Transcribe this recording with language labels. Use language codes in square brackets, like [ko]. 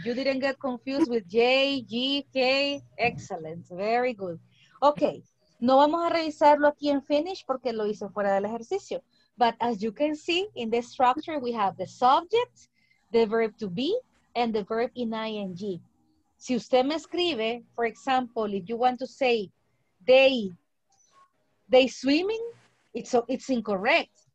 [en] You didn't get confused with J, G, K. Excellent. Very good. Okay. [es] No vamos a revisarlo aquí en Finnish porque lo hice fuera del ejercicio. [en] But as you can see, in this structure, we have the subject, the verb to be, and the verb in ing. [es] Si usted me escribe, [en] for example, if you want to say they swimming, it's incorrect.